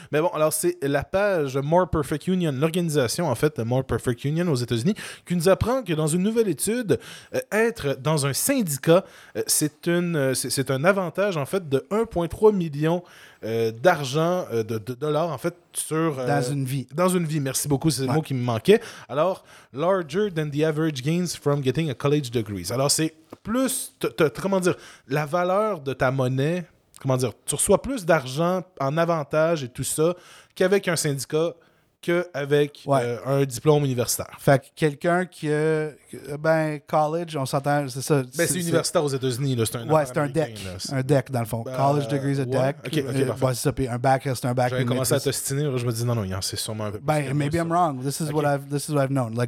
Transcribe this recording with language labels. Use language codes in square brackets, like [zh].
[fr] Mais bon, alors, c'est la page More Perfect Union, l'organisation, en fait, More Perfect Union aux États-Unis, qui nous apprend que dans une nouvelle étude, être dans un syndicat, c'est un avantage, en fait, de 1,3 million d'argent, de dollars, en fait, sur... dans une vie. Dans une vie, merci beaucoup, c'est le mot qui me manquait. [en] Alors, larger than the average gains from getting a college degree. [fr] Alors, c'est plus, comment dire, la valeur de ta monnaie, comment dire, tu reçois plus d'argent en avantage et tout ça qu'avec un syndicat, qu'avec un diplôme universitaire. Fait que quelqu'un qui a, ben, college, on s'entend, c'est ça. Ben, c'est universitaire aux États-Unis, là, c'est un... Ouais, c'est un deck, là, c'est... un deck, dans le fond. Ben, college degree, c'est un deck. OK, parfait. Ouais, c'est ça, un bac, c'est un bac. J'avais commencé à t'ostiner, je me dis, non, c'est sûrement un peu plus. [en] Ben, maybe I'm wrong, this is what I've known.